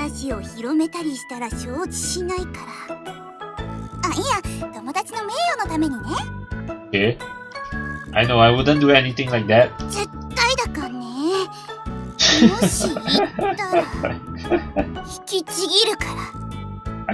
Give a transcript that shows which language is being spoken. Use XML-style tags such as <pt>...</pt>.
<ja>を広めたりしたら承知しないから。あ、いや、友達の名誉のためにね。</ja> <en>え、I know I wouldn't do anything like that。</en> <ja>絶対だかんね。もし言ったら引きちぎるから。</ja>